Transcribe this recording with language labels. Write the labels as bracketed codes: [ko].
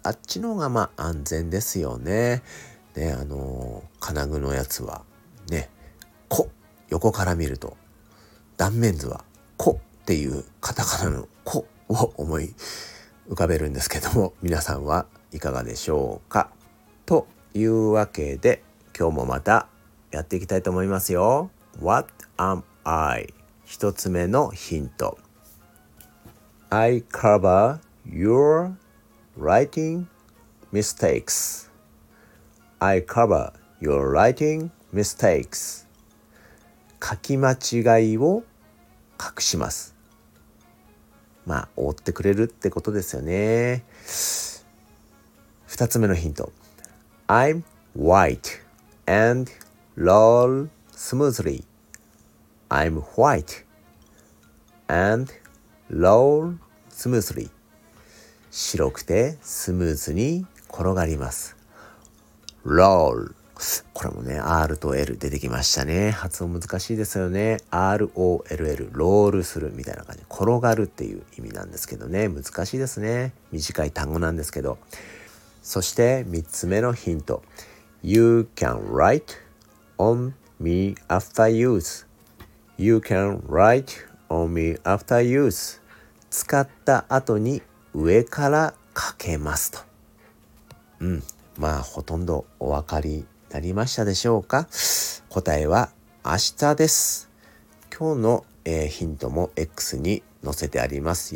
[ja] あっちの方がまあ安全ですよね。ね、金具のやつはね、こ、横から見ると断面図はこっていうカタカナのこを思い浮かべるんですけども、皆さんはいかがでしょうか。というわけで、今日もまたやっていきたいと思いますよ。 [en] What am I? [ja] 一つ目のヒント。 [en] I cover your writing mistakes. I cover your writing mistakes. [ja] 書き間違いを隠します。まあ、覆ってくれるってことですよね。二つ目のヒント。 [en] I'm white and roll smoothly. I'm white and roll smoothly. [ja] 白くてスムーズに転がります。 [en] Roll. [ja] これもね、R と L 出てきましたね。発音難しいですよね。 R-O-L-L、ロールするみたいな感じ。転がるっていう意味なんですけどね。難しいですね。短い単語なんですけど。そして三つ目のヒント。 [en] You can write on me after use. You can write on me after use. [ja] 使った後に上から書けますと。まあほとんどお分かりになりましたでしょうか。答えは明日です。今日の、ヒントも X に載せてあります。